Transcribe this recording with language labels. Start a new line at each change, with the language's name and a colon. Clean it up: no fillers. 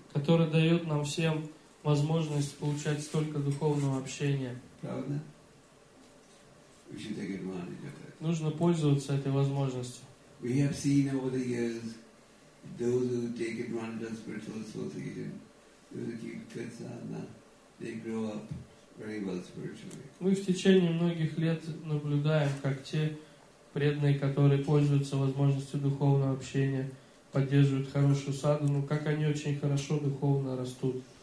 Russian: Который дает нам всем возможность получать столько духовного общения. Правда?
English: We should take advantage of that.
Russian: Нужно пользоваться этой возможностью.
English: We have seen over the years those who take advantage of spiritual association, those who keep good sadhana, they grow up very well spiritually.
Russian: Мы в течение многих лет наблюдаем, как те преданные, которые пользуются возможностью духовного общения, поддерживают хорошую саду, но как они очень хорошо духовно растут.